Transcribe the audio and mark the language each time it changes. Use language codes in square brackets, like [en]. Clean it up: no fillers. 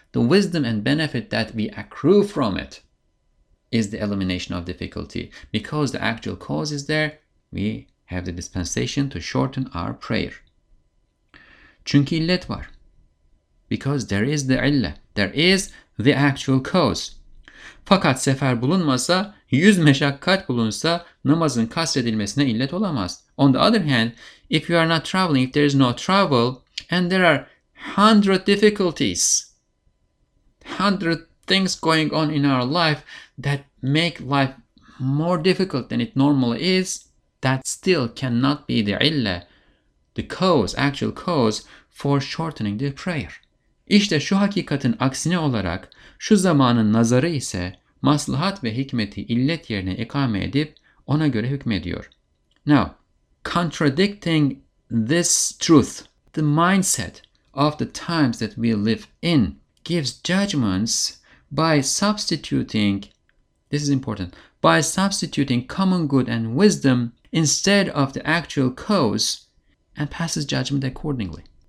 [en] The wisdom and benefit that we accrue from it is the elimination of difficulty. Because the actual cause is there, we have the dispensation to shorten our prayer. [tr] Çünkü illet var. [en] Because there is the illah. There is the actual cause. [tr] Fakat sefer bulunmasa, yüz meşakkat bulunsa namazın kasredilmesine illet olamaz. [en] On the other hand, if you are not traveling, if there is no travel, and there are 100 difficulties, 100 things going on in our life that make life more difficult than it normally is, that still cannot be the illah, the cause, actual cause for shortening the prayer. [tr] İşte şu hakikatin aksine olarak şu zamanın nazarı ise maslahat ve hikmeti illet yerine ikame edip ona göre hükmediyor. [en] Now, contradicting this truth, the mindset of the times that we live in gives judgments by substituting, this is important, by substituting common good and wisdom instead of the actual cause and passes judgment accordingly.